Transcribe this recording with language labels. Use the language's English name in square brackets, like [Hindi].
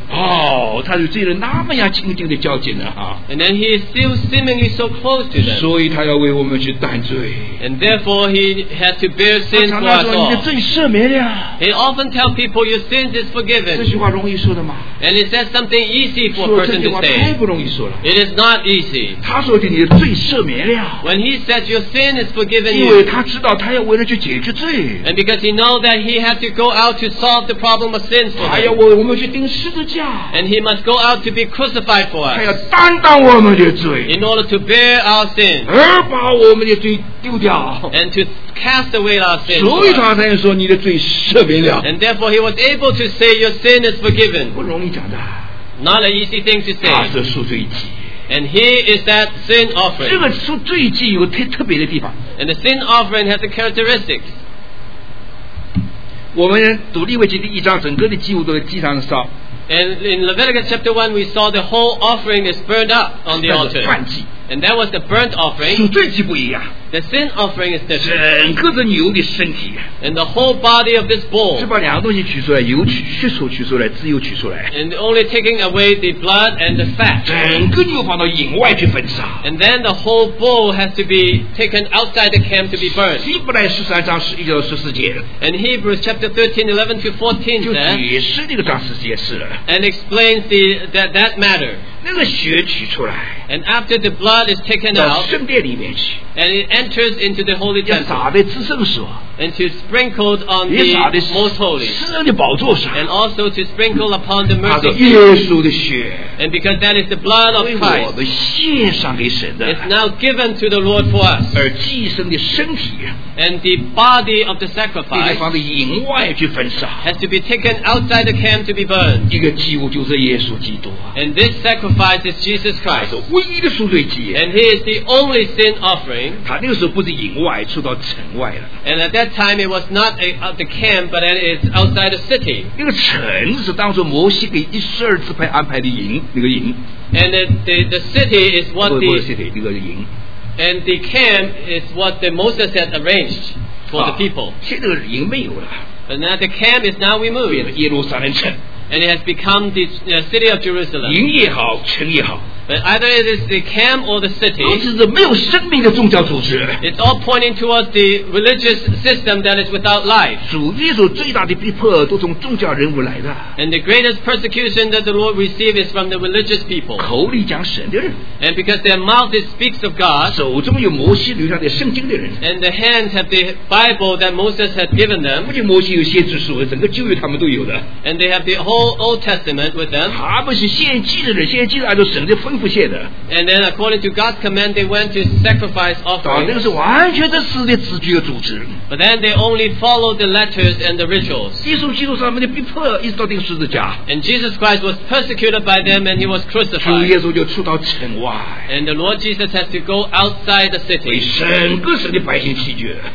[Chinese] 哦，他与罪人那么样亲近的交集呢，哈。 [English] And then he is still seemingly so close to them. [Chinese] 所以他要为我们去担罪。 [English] And therefore he had to bear sin for us all. [Chinese] 他常常说你的罪赦免了。 [English] He often tells people your sins is forgiven. [Chinese] 这句话容易说的吗？ [English] And he says something easy for a person to say. [Chinese] 说这句话太不容易说了。 [English] It is not easy. [Chinese] 他说的你的罪赦免了。 [English] When he says your sin is forgiven [Chinese] you. 因为他知道他要为了去解决罪。 [English] And because he knows that. And he had to go out to solve the problem of sin for us. [Chinese] 哎呀，我们去钉十字架。 [English] And he must go out to be crucified for us. [Chinese] 他要担当我们的罪。 [English] In order to bear our sins. [Chinese] 而把我们的罪丢掉。 [English] And to cast away our sins. [Chinese] 所以他才能说你的罪赦免了。 [English] And therefore he was able to say your sin is forgiven. [Chinese] 不容易讲的。 [English] Not an easy thing to say. [Chinese] 他是赎罪祭。 [English] And here is that sin offering. [Chinese] 这个赎罪祭有个特别的地方。 [English] And the sin offering has a characteristic. [Chinese] 我们读利未记第一章，整个的祭物都在祭上烧。 [English] And in Leviticus chapter 1, we saw the whole offering is burned up on the altar. [Chinese] 燔祭。 [English] And that was the burnt offering. [Chinese] 赎罪祭不一样。 [English] The sin offering is different. [Chinese] 整个的牛的身体。 [English] And the whole body of this bull. [Chinese] 是把两个东西取出来，油取血所取出来，脂油取出来。 [English] And only taking away the blood and the fat. [Chinese] 整个牛放到营外去焚烧。 [English] And then the whole bull has to be taken outside the camp to be burned. [Chinese] 希伯来十三章十一到十四节。 [English] And Hebrews chapter 13:11-14 [Chinese] 就解释那个章十四节是了。 [English] And explains that matter. [Chinese] 那个血取出来。 [English] And after the blood is taken out. [Chinese] 到圣殿里面去。 [English] And it enters into the holy temple. [Chinese] 要洒在至圣所。 [English] And to sprinkle on the most holy. [Chinese] 至圣的宝座上。 [English] And also to sprinkle upon the mercy. [Chinese] 那是耶稣的血。 [English] And because that is the blood of Christ. [Chinese] 我们献上给神的。 [English] It's now given to the Lord for us. [Chinese] 而祭牲的身体。 [English] And the body of the sacrifice. [Chinese] 必须放在营外去焚烧。 [English] Has to be taken outside the camp to be burned. [Chinese] 一个祭物就是耶稣基督。 [English] And this sacrifice is Jesus Christ. [Chinese] 唯一的赎罪祭。 [English] And he is the only sin offering. [Chinese] 他那个时候不是营外，出到城外了。 [English] And at that time it was not at the camp, but it's outside the city. [Chinese] 那个城是当初摩西给以色列支派安排的营，那个营。 [English] And the city is what the [Chinese] 不是 city, 那个营。 [English] And the camp is what the Moses had arranged for the people. [Chinese] 现在那个营没有了。 [English] And now the camp is now removed. [Chinese] 变成耶路撒冷城。 [English] And it has become the city of Jerusalem. [Chinese] 营也好，城也好。 [English] But either it is the camp or the city. [Chinese] 都是没有生命的宗教组织。 [English] It's all pointing towards the religious system that is without life. [Chinese] 主耶稣最大的逼迫都从宗教人物来的。 [English] And the greatest persecution that the Lord received is from the religious people. [Chinese] 口里讲神的人。 [English] And because their mouth speaks of God. [Chinese] 手中有摩西留下的圣经的人。 [English] And the hands have the Bible that Moses had given them. [Chinese] 不仅摩西有先知书，整个旧约他们都有的。 [English] And they have the whole Old Testament with them. [Chinese] 他们是献祭的人，献祭按照神的吩咐。 [English] And then according to God's command, they went to sacrifice offerings. But then they only followed the letters and the rituals. And Jesus Christ was persecuted by them and he was crucified. And the Lord Jesus had to go outside the city.